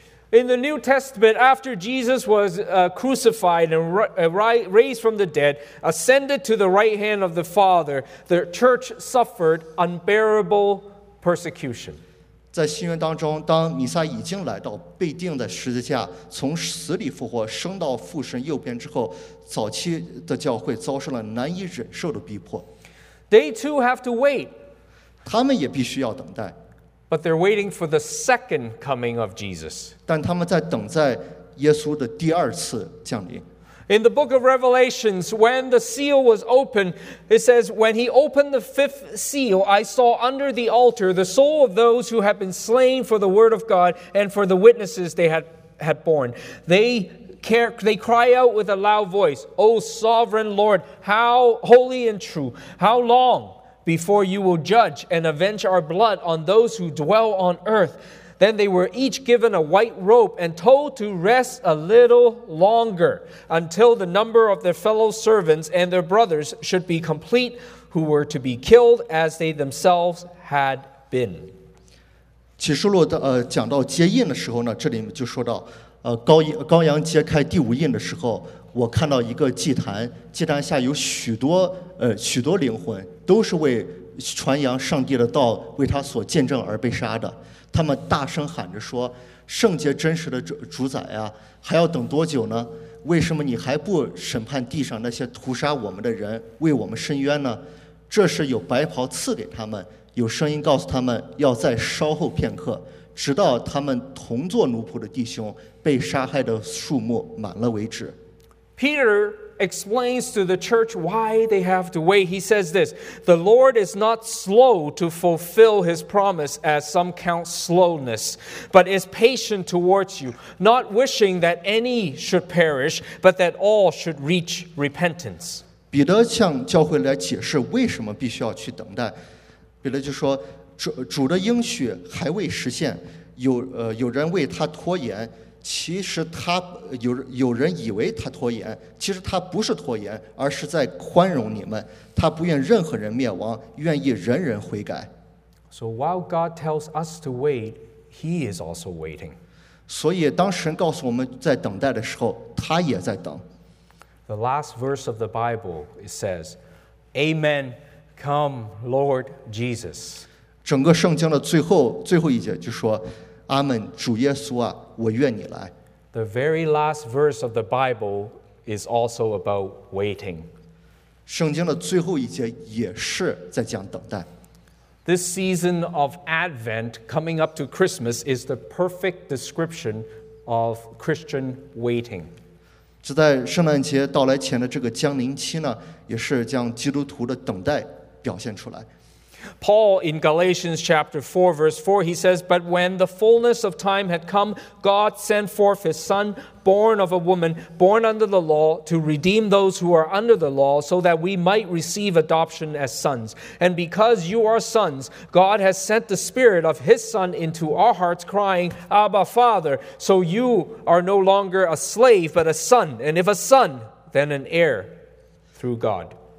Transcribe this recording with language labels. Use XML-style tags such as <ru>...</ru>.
<en>In the New Testament, after Jesus was crucified and raised from the dead, ascended to the right hand of the Father, the church suffered unbearable persecution.</en> <zh>在新约当中，当弥赛亚已经来到，被钉在十字架，从死里复活，升到父神右边之后，早期的教会遭受了难以忍受的逼迫。</zh> <en>They too have to wait.</en> <zh>他们也必须要等待。</zh> <en>But they're waiting for the second coming of Jesus.</en> <zh>但他们在等在耶稣的第二次降临。</zh> <en>In the book of Revelation, when the seal was opened, it says, when he opened the fifth seal, I saw under the altar the soul of those who had been slain for the word of God and for the witnesses they had borne. They cry out with a loud voice, O sovereign Lord, how holy and true, how long? Before you will judge and avenge our blood on those who dwell on earth. Then they were each given a white robe and told to rest a little longer until the number of their fellow servants and their brothers should be complete who were to be killed as they themselves had been.</en> <zh>启示录的讲到接印的时候呢，这里就说到羔羊揭开第五印的时候，我看到一个祭坛，祭坛下有许多灵魂，都是为传扬上帝的道，为他所见证而被杀的。他们大声喊着说：“圣洁真实的主宰啊，还要等多久呢？为什么你还不审判地上那些屠杀我们的人，为我们伸冤呢？” 这时有白袍赐给他们，有声音告诉他们要再稍后片刻，直到他们同作奴仆的弟兄被杀害的数目满了为止。</zh> <en>Peter explains to the church why they have to wait. He says this, The Lord is not slow to fulfill his promise as some count slowness, but is patient towards you, not wishing that any should perish, but that all should reach repentance.</en> <zh>彼得向教会来解释为什么必须要去等待。彼得就说 主的应许还未实现， 有人为他拖延，其实他 有人以为他拖延，其实他不是拖延，而是在宽容你们。他不愿任何人灭亡，愿意人人悔改。</zh> <en>So while God tells us to wait, He is also waiting.</en> <zh>所以当神告诉我们在等待的时候，他也在等。</zh> <en>The last verse of the Bible it says, "Amen, come, Lord Jesus."</en> <zh>整个圣经的最后一节就说。阿们，主耶稣啊，我愿你来。</zh> <en>The very last verse of the Bible is also about waiting.</en> <zh>圣经的最后一节也是在讲等待。</zh> <en>This season of Advent coming up to Christmas is the perfect description of Christian waiting.</en> <zh>这在圣诞节到来前的这个降临期呢，也是将基督徒的等待表现出来。</zh> <en>Paul in Galatians chapter 4 verse 4 he says but when the fullness of time had come God sent forth his son born of a woman born under the law to redeem those who are under the law so that we might receive adoption as sons and because you are sons God has sent the spirit of his son into our hearts crying Abba Father so you are no longer a slave but a son and if a son then an heir through God</en>